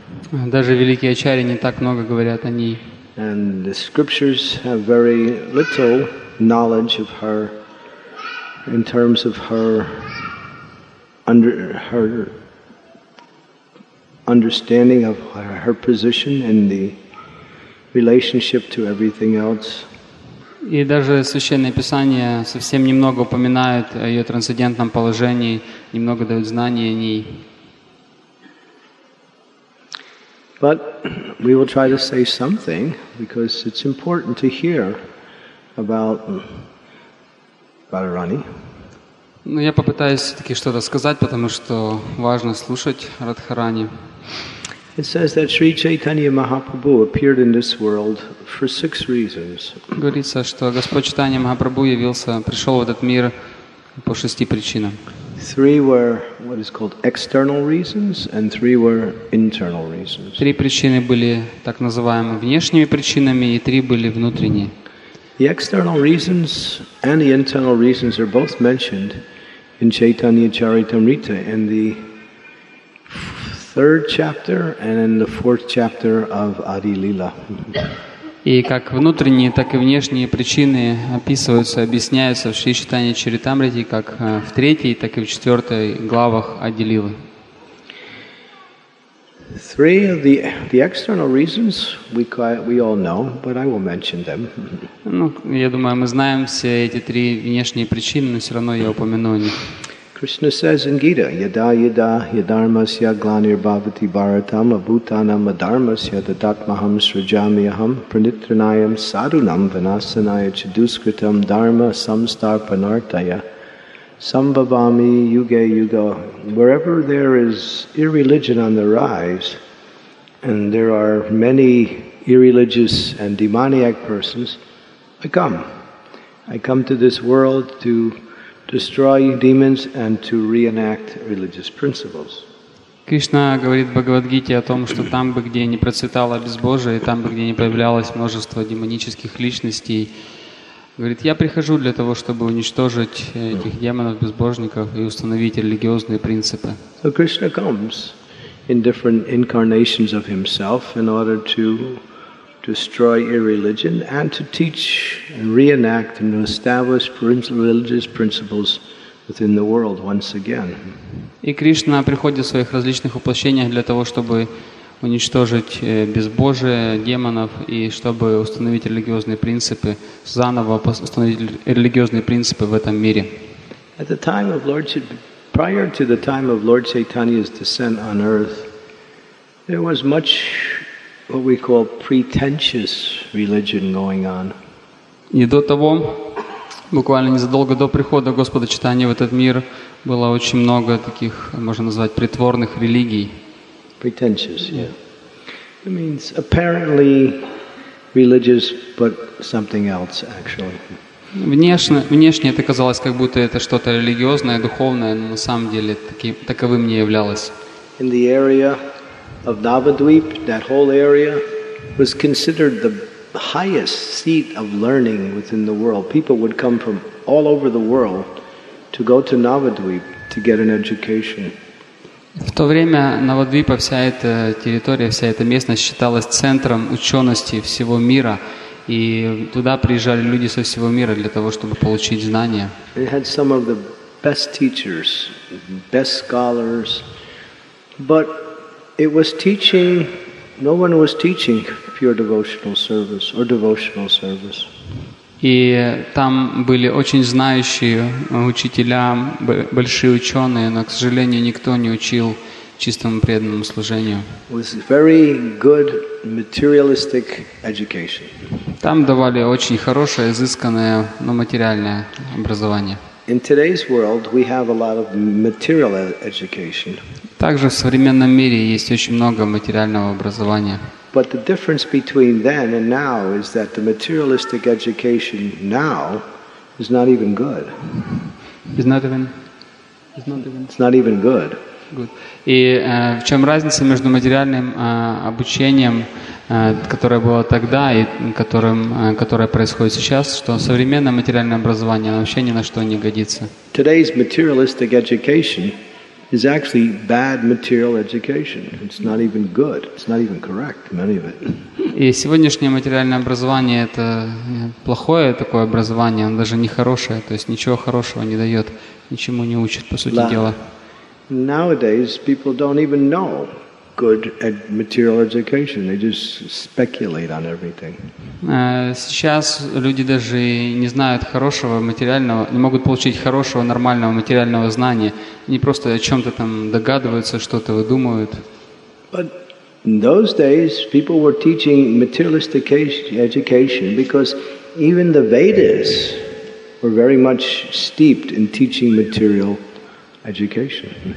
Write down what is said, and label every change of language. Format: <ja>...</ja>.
<ru>Даже великие ачарьи не так много говорят о ней.</ru> <en>And the scriptures have very little knowledge of her in terms of her understanding of her position in the relationship to everything else.</en> <ru>И даже Священное Писание совсем немного упоминает о ее трансцендентном положении, немного дает знания о ней.</ru> <en>But we will try to say something because it's important to hear about Radharani.</en> <ru>Ну, я попытаюсь все-таки что-то сказать, потому что важно слушать Радхарани.</ru> <en>It says that Sri Chaitanya Mahaprabhu appeared in this world for six reasons.</en> <ru>Говорится, что Господь Чайтанья Махапрабху явился, пришел в этот мир по шести причинам.</ru> <en>Three were what is called external reasons, and three were internal reasons.</en> <ru>Три причины были так называемыми внешними причинами, и три были внутренние.</ru> <en>The external reasons and the internal reasons are both mentioned in Chaitanya Charitamrita in the third chapter and in the fourth chapter of Adi Lila.</en> <ru>И как внутренние, так и внешние причины описываются, объясняются в Шри Чайтанья Чаритамрите как в третьей, так и в четвертой главах Ади Лилы.</ru> <en>Three of the external reasons we all know, but I will mention them.</en> <ru>Ну, я думаю, мы знаем все эти три внешние причины, но все равно я упомяну о них.</ru> <en>Krishna says in Gita,</en> <sa>yada yada yadharmasya glanir bhavati bharatam abhutanam adharmasya tatatmaham srijami aham pranitranayam sadunam vinasanaya chaduskritam dharma samstarpanartaya sambhavami yuge yuga.</sa> <en>Wherever there is irreligion on the rise, and there are many irreligious and demoniac persons, I come. I come to this world to destroy demons and to reenact religious principles.</en> <ru>Кришна говорит в Бхагавад-гите о том, что там бы, где не процветало безбожие, там бы, где не проявлялось множество демонических личностей, говорит, я прихожу для того, чтобы уничтожить этих демонов, безбожников и установить религиозные принципы.</ru> <en>So Krishna comes in different incarnations of himself in order to destroy irreligion and to teach and reenact and establish religious principles within the world once again.</en> <ru>И Кришна приходит в своих различных воплощениях для того, чтобы уничтожить безбожие, демонов и чтобы установить религиозные принципы заново, установить религиозные принципы в этом мире.</ru> <en>At the time of Lord, prior to the time of Lord Chaitanya's descent on earth, there was much what we call pretentious religion going on.</en> <ru>И до того, буквально незадолго до прихода Господа Чайтаньи в этот мир, было очень много таких, можно назвать, притворных религий.</ru> <en>Pretentious, yeah. It means apparently religious, but something else actually.</en> <ru>Внешне это казалось, как будто это что-то религиозное, духовное, но на самом деле таковым не являлось.</ru> <en>In the area of Navadvip, that whole area was considered the highest seat of learning within the world. People would come from all over the world to go to Navadvip to get an education.</en> <ru>В то время Навадвипа вся эта территория, вся эта местность считалась центром учености всего мира, и туда приезжали люди со всего мира для того, чтобы получить знания.</ru> <en>It had some of the best teachers, best scholars, but it was teaching, no one was teaching pure devotional service or devotional service.</en> <ru>И там были очень знающие учителя, большие ученые, но, к сожалению, никто не учил чистому преданному служению.</ru> <en>It was very good materialistic education.</en> <ru>Там давали очень хорошее, изысканное, но материальное образование.</ru> <en>In today's world we have a lot of material education.</en> <ru>Также в современном мире есть очень много материального образования.</ru> <en>But the difference between then and now is that the materialistic education now is not even good. It's not even good. Good.</en> <ru>И в чем разница между материальным обучением, которое было тогда, и которое происходит сейчас, что современное материальное образование вообще ни на что не годится.</ru> <en>Today's materialistic education is actually bad material education. It's not even good. It's not even correct, many of it.</en> <ru>И сегодняшнее материальное образование — это плохое такое образование, оно даже не хорошее, то есть ничего хорошего не дает, ничему не учит, по сути дела.</ru> <en>Nowadays, people don't even know good material education. They just speculate on everything.</en> <ru>Сейчас люди даже не знают хорошего материального, не могут получить хорошего, нормального материального знания. Они просто о чем-то там догадываются, что-то выдумывают.</ru> <en>But in those days, people were teaching materialistic education because even the Vedas were very much steeped in teaching material education.</en>